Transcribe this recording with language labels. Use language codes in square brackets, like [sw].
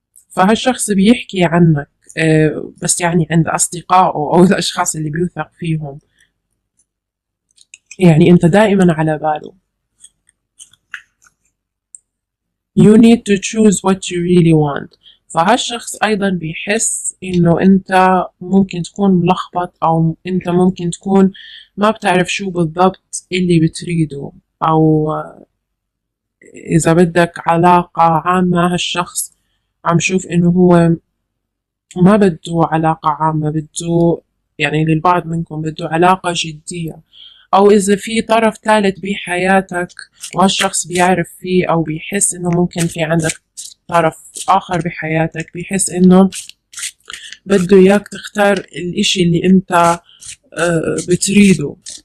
[ar] فهالشخص بيحكي عنك بس يعني عند أصدقائه أو الأشخاص اللي بيوثق فيهم، يعني أنت دائما على باله. [en] You need to choose what you really want. [ar] فهالشخص أيضا بيحس إنه أنت ممكن تكون ملخبط أو أنت ممكن تكون ما بتعرف شو بالضبط اللي بتريده، أو إذا بدك علاقة عامة، هالشخص عم شوف إنه هو ما بده علاقة عامة، بده يعني للبعض منكم بده علاقة جدية، أو إذا في طرف ثالث بحياتك وهالشخص بيعرف فيه أو بيحس إنه ممكن في عندك طرف آخر بحياتك، بيحس إنه بده إياك تختار الإشي اللي أنت بتريده.